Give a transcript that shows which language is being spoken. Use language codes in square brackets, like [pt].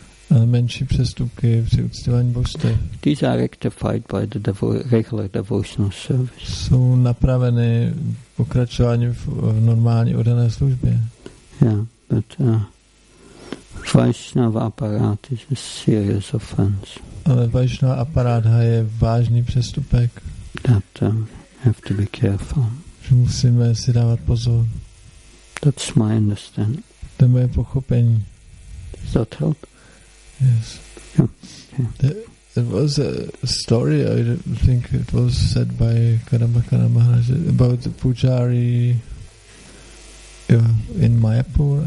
[cs] Ale menší přestupky při uctívání božstev. [en] These are rectified by the regular devotional service. [cs] Jsou napraveny pokračování v normální odané službě. [en] Yeah, but Vaishnava aparat is a serious offense. [cs] Ale Vaishnava aparat je vážný přestupek. [en] That have to be careful. [cs] Že musíme si dávat pozor. [en] That's my understanding. [cs] To je moje pochopení. [en] Does that help? Yes. There was a story, I think it was said by Karamakara Maharaj about the pujari in Mayapur.